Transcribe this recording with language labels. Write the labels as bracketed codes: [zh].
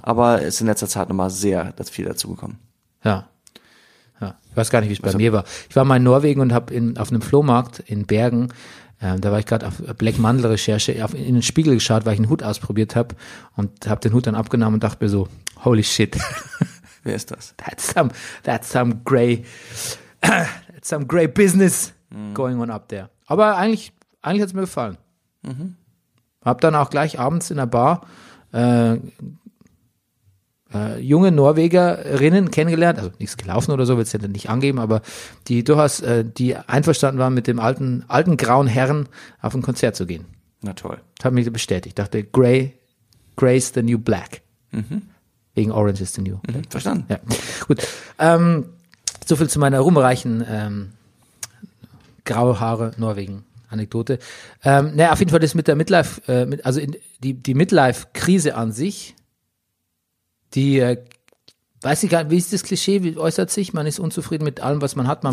[de] Aber ist in letzter Zeit nochmal viel dazu gekommen. Ja. Ja. Ich weiß gar nicht, wie es bei mir war. Ich war mal in Norwegen und habe auf einem Flohmarkt in Bergen. Da war ich gerade auf Black Mandel Recherche in den Spiegel geschaut, weil ich einen Hut ausprobiert habe und habe den Hut dann abgenommen und dachte mir so, [en] holy shit. [de] Wer ist das? [en] That's some gray business going on up there. [de] Aber eigentlich hat es mir gefallen. Mhm. Hab dann auch gleich abends in der Bar junge Norwegerinnen kennengelernt, also nichts gelaufen oder so, will es ja dann nicht angeben, aber die durchaus, die einverstanden waren, mit dem alten grauen Herren auf ein Konzert zu gehen. Na toll. Das hat mich bestätigt. Dachte, [en] Grey is the new black. [de] Mhm. Wegen [en] Orange is the new. [de] Mhm, verstanden. Ja. Gut. So viel zu meiner ruhmreichen graue Haare Norwegen. Anekdote. Naja, auf jeden Fall das mit der Midlife, also in die Midlife-Krise an sich. Die, weiß ich gar nicht, wie ist das Klischee, wie äußert sich, man ist unzufrieden mit allem, was man hat, man